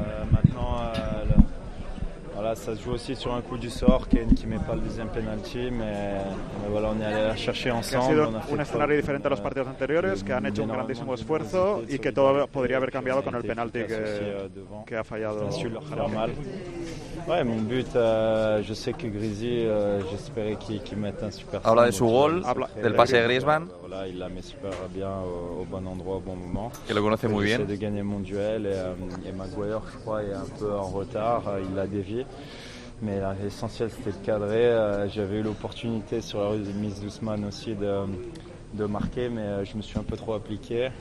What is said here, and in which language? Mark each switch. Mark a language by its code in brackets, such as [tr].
[fr] Maintenant, voilà, ça se joue aussi sur un coup du sort, Kane qui met pas le deuxième penalty, mais voilà, on est allé la chercher ensemble. [es] Ha sido un escenario diferente a los partidos anteriores, que han hecho un grandísimo esfuerzo y que todo podría haber cambiado con el penalti que ha fallado. [fr] Ouais, mon but, je sais que Grizy, j'espérais qu'il mette un super. [es] Habla de su gol, del pase de Griezmann. [fr] Voilà, il la met super bien au bon endroit, au bon moment. [es] Que lo conoce muy bien. [fr] J'essaie de gagner mon duel et Maguire, je crois, est un peu en retard, il l'a dévié. Mais l'essentiel c'était de cadrer. J'avais eu l'opportunité sur la remise d'Ousmane aussi de marquer, mais je me suis un peu trop appliqué.